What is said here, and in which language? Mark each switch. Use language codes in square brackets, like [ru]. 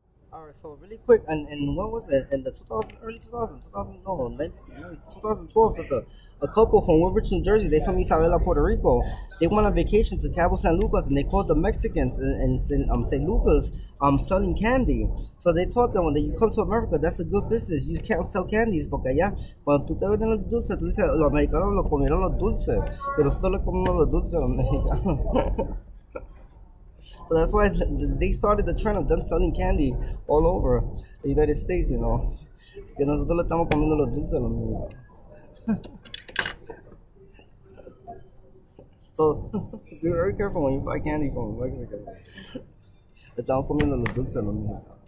[en] All right, so really quick, and when was it? In the 2000, early 2000, 2000, no, 1990, 2012, that a couple from Wilmington, Jersey, they from Isabela, Puerto Rico, they went on vacation to Cabo San Lucas, and they caught the Mexicans in St. Lucas selling candy. So they taught them, when you come to America, that's a good business. You can't sell candies, [es] porque allá, cuando tú te venden los dulces, tú dices, los americanos lo comieron los dulces, pero nosotros lo comimos los dulces a los mexicanos. [en] So that's why they started the trend of them selling candy all over the United States, you know. [es] Que nosotros le estamos comiendo los dulces a los niños. [en] So be very careful when you buy candy from Mexico. [es] Estamos comiendo los dulces a los niños.